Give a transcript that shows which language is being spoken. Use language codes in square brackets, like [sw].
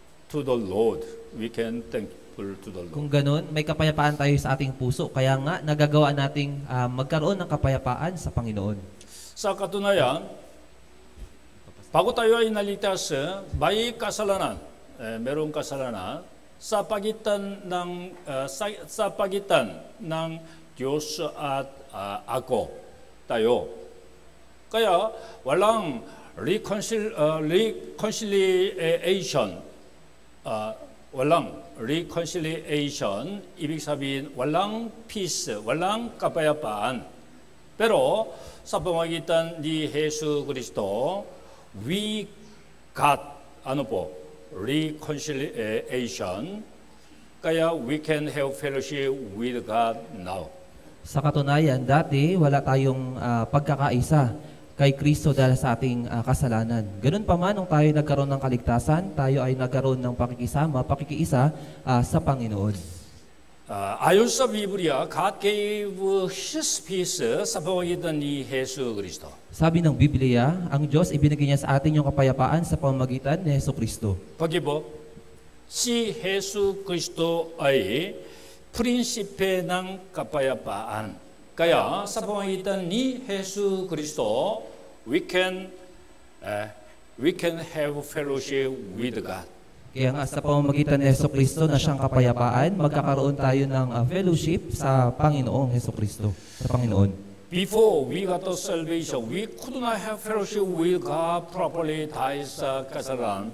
[en] to the Lord, we can thankful to the Lord. [tl] Kung ganun, may kapayapaan tayo sa ating puso. Kaya nga, nagagawa nating magkaroon ng kapayapaan sa Panginoon. Sa katunayan, bago tayo ay naligtas, may kasalanan, merong kasalanan sa pagitan ng sa pagitan ng Diyos at ako tayo. Kaya walang reconciliation. Walang reconciliation, ibig sabihin walang peace, walang kapayapaan. Pero sa pamagitan ni Jesu Kristo, [en] we got reconciliation. [tl] Kaya [en] we can have fellowship with God now. [tl] Sa katunayan, dati wala tayong pagkakaisa kay Kristo dahil sa ating kasalanan. Ganun pa man, nung tayo nagkaroon ng kaligtasan, tayo ay nagkaroon ng pakikisama, pakikiisa sa Panginoon. Ayon sa Biblia, [en] God gave His peace [tl] sa pamamagitan ni Jesus Kristo. Sabi ng Biblia, ang Diyos ibinigay niya sa atin yung kapayapaan sa pamamagitan ni Jesus Kristo. Pag-ibo, si Jesus Kristo ay prinsipe ng kapayapaan. Kaya sa pamamagitan ni Jesus Kristo, [en] we can have fellowship with God. [tl] Kaya nga sa pamamagitan ni Jesus Kristo na siyang kapayapaan, magkakaroon tayo ng fellowship sa Panginoong Jesus Kristo, sa Panginoon. [en] Before we got the salvation, we could not have fellowship with God properly [tl] dahil sa kasalanan.